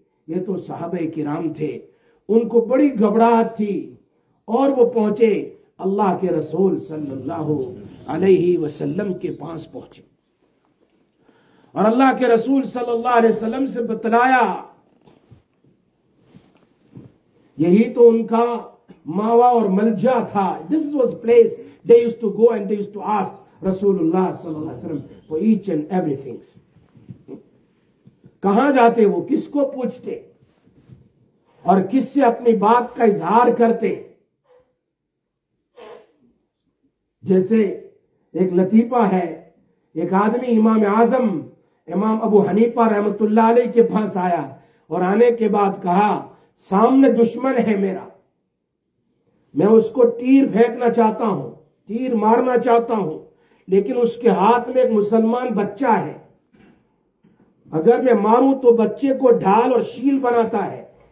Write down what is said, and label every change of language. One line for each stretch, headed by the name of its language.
Urdu: یہ تو صحابہ کرام تھے، ان کو بڑی گھبراہٹ تھی، اور وہ پہنچے اللہ کے رسول صلی اللہ علیہ وسلم کے پاس پہنچے، اور اللہ کے رسول صلی اللہ علیہ وسلم سے بتلایا. یہی تو ان کا ماوا اور ملجا تھا.
English: This was place they use to go and they use to ask رسول اللہ صلی اللہ علیہ وسلم for each and everything.
Urdu: کہاں جاتے وہ، کس کو پوچھتے، اور کس سے اپنی بات کا اظہار کرتے. جیسے ایک لطیفہ ہے، ایک آدمی امام اعظم امام ابو حنیفہ رحمت اللہ علیہ کے پاس آیا، اور آنے کے بعد کہا سامنے دشمن ہے میرا، میں اس کو تیر پھینکنا چاہتا ہوں، تیر مارنا چاہتا ہوں، لیکن اس کے ہاتھ میں ایک مسلمان بچہ ہے، اگر میں ماروں تو بچے کو ڈھال اور شیل بناتا ہے.